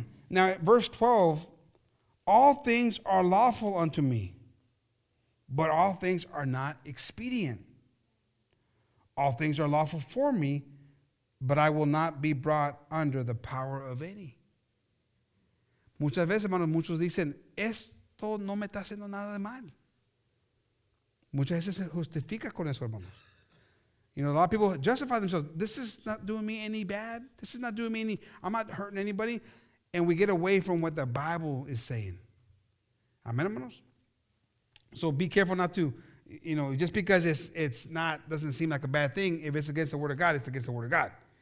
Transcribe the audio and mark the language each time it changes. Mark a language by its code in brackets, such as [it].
[en] Now, verse 12, all things are lawful unto me, But all things are not expedient. All things are lawful for me, but I will not be brought under the power of any. [es] Muchas veces, hermanos, muchos dicen, esto no me está haciendo nada de mal. Muchas veces se justifica con eso, hermanos. [en] You know, a lot of people justify themselves. This is not doing me any bad. This is not doing me any, I'm not hurting anybody. And we get away from what the Bible is saying. Amen, hermanos? So be careful not to, you know, just because it doesn't seem like a bad thing, if it's against the word of God, it's against the word of God.